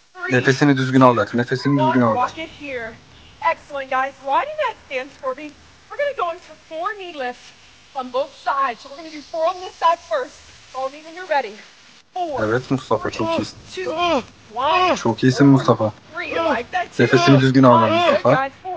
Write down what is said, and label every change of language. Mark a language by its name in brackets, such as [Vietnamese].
[Turkish] Nefesini düzgün al, nefesini düzgün al. [English] Excellent, guys. Why do that stand for me? We're gonna go into four knee lifts on both sides. We're gonna do four on this side first. All knees when you're ready. [Turkish] Evet Mustafa, çok iyisin. Çok iyisin Mustafa. Nefesini düzgün alın Mustafa.